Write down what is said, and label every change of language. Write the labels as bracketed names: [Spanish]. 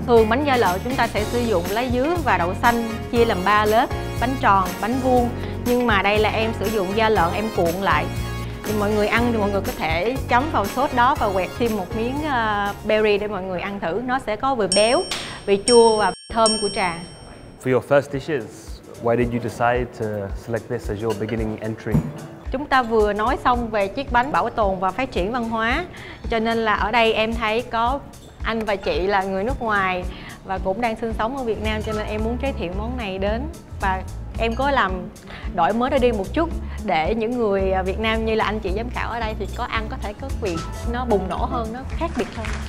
[Vietnamese] Thường bánh da lợn chúng ta sẽ sử dụng lá dứa và đậu xanh chia làm 3 lớp, bánh tròn, bánh vuông. Nhưng mà đây là em sử dụng da lợn em cuộn lại. Thì mọi người ăn thì mọi người có thể chấm vào sốt đó và quẹt thêm một miếng berry để mọi người ăn thử. Nó sẽ có vị béo, vị chua và thơm của trà. [English] For your first dishes, why did you decide to select this as your beginning entry? [Vietnamese] Chúng ta vừa nói xong về chiếc bánh bảo tồn và phát triển văn hóa. Cho nên là ở đây em thấy có anh và chị là người nước ngoài và cũng đang sinh sống ở Việt Nam, cho nên em muốn giới thiệu món này đến. Và em có làm đổi mới ra đi một chút để những người Việt Nam như là anh chị giám khảo ở đây thì có ăn có thể có vị nó bùng nổ hơn, nó khác biệt hơn.